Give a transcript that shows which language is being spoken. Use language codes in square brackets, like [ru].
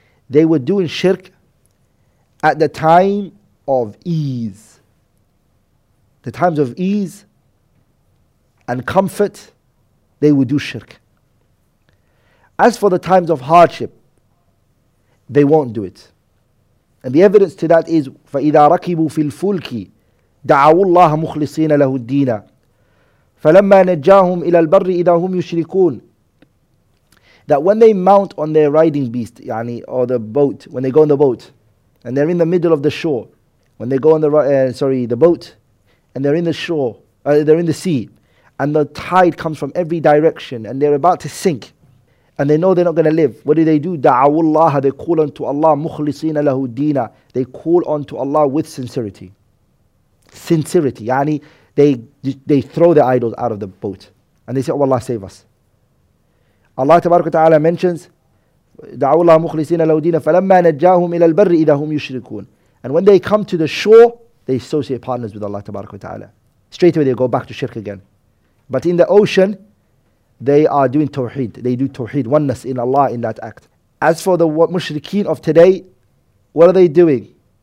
[en] They were doing shirk at the time of ease. The times of ease and comfort, they would do shirk. As for the times of hardship, they won't do it. And the evidence to that is, [ar] فَإِذَا رَكِبُوا فِي الْفُلْكِ دَعَوُوا اللَّهَ مُخْلِصِينَ لَهُ الدِّينَ فَلَمَّا نَجَّاهُمْ إِلَى الْبَرِّ إِذَا هُمْ يُشْرِكُونَ. [en] That when they mount on their riding beast, yani, or the boat, when they go on the boat, and they're in the middle of the shore, when they go on the boat, and they're in the shore, they're in the sea, and the tide comes from every direction, and they're about to sink, and they know they're not going to live, what do? [ar] دَعَوُوا اللَّهَ. [en] They call unto Allah, [ar] مُخْلِصِينَ لَهُ الدِّينَ. [en] They call unto Allah with sincerity. Sincerity, yani, they throw their idols out of the boat, and they say, oh Allah, save us. [ar] Allah tabaraka wa ta'ala mentions, دَعَوُوا اللَّهَ مُخْلِصِينَ لَهُ الدِّينَ فَلَمَّا نَجَّاهُمْ إِلَى الْبَرِّ إِذَا هُمْ يُشْرِكُونَ. [en] And when they come to the shore, they associate partners with Allah tabaraka wa ta'ala. Straight away they go back to shirk again. But in the ocean, they are doing tawheed. They do tawheed, oneness in Allah in that act. As for the mushrikeen of today, what are they doing?